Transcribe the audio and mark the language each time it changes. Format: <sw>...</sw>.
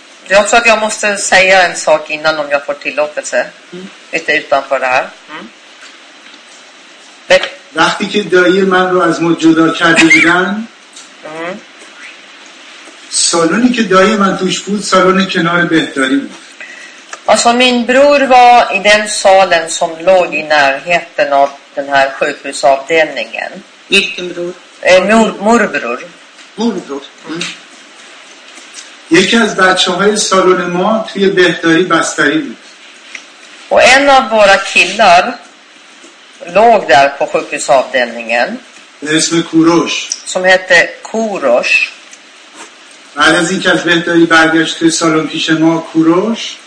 <fa>یا صد یا مسته سیا این ساک اینن اون یا پر تیل آفته ایت ایتان پر هر وقتی که دایی من رو از ما جدا کرده بودن سالونی که دایی من توش بود سالون کنار بهداری بود</fa> <sv>alltså min bror var i den salen som låg i närheten av den här sjukhusavdelningen vilken bror? Morbror</sv> <fa>یکی از بچه‌های سالن ما توی بهداری بستری بود</fa> <sv>و en av våra killar låg där på sjukhusavdelningen</sv> <fa>اسم کوروش</fa> <sv>som hette کوروش</sv> <fa>بعد از اینکه از بهداری برگشت توی سالن پیش ما کوروش</fa>